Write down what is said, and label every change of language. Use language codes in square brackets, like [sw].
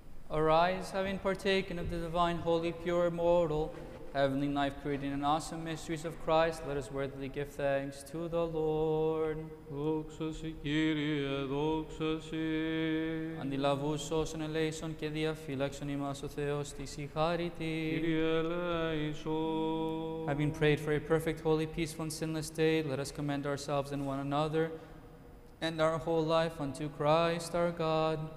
[en] Arise, having partaken of the divine, holy, pure, immortal, heavenly, life-creating, and awesome mysteries of Christ, let us worthily give thanks to the Lord. [el] Δόξα σοι, Κύριε, δόξα σοι. Αντιλαβούς σώσον ελέησον και διαφύλαξον ημάς ο Θεός της η χάρητη. Κύριε, ελέησον. [en] Having prayed for a perfect, holy, peaceful, and sinless day, let us commend ourselves and one another and our whole life unto Christ our God.